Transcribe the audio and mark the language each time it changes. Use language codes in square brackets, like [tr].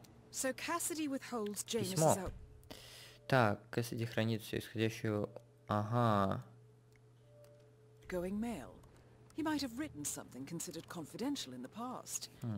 [en] So Cassidy withholds Janus's out. [ru] Так, Cassidy хранит все исходящее. Ага. [en] Going mail. He might have written something considered confidential in the past.